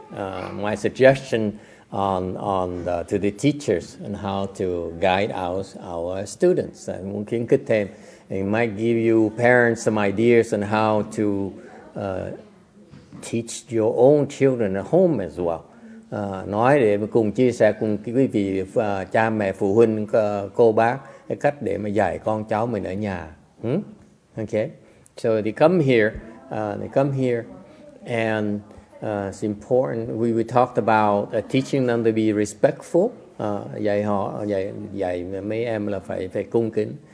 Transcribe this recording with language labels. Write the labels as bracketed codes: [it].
[en] My suggestion to the teachers and how to guide our students. And [vi] muốn kiến thức thêm, [en] it might give you parents some ideas on how to teach your own children at home as well. [vi] Nói để cùng chia sẻ cùng quý vị cha mẹ phụ huynh cô bác cái cách để mà dạy con cháu mình ở nhà. [en] Okay, so they come here, and it's important. We talked about teaching them to be respectful. [vi] Dạy họ dạy mấy em là phải cung kính.